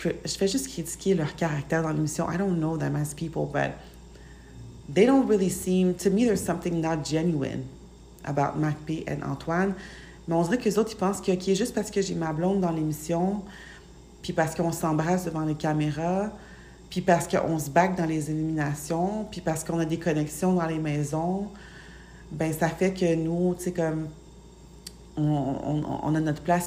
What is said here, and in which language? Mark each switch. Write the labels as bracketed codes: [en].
[fr] Je fais juste critiquer leur caractère dans l'émission. [en] I don't know them as people, but... They don't really seem... To me, there's something not genuine about Matt P. and Antoine. [fr] Mais on dirait qu'eux autres, ils pensent que, OK, juste parce que j'ai ma blonde dans l'émission, puis parce qu'on s'embrasse devant les caméras, puis parce qu'on se back dans les éliminations, puis parce qu'on a des connexions dans les maisons, ben ça fait que nous, tu sais, comme, on a notre place.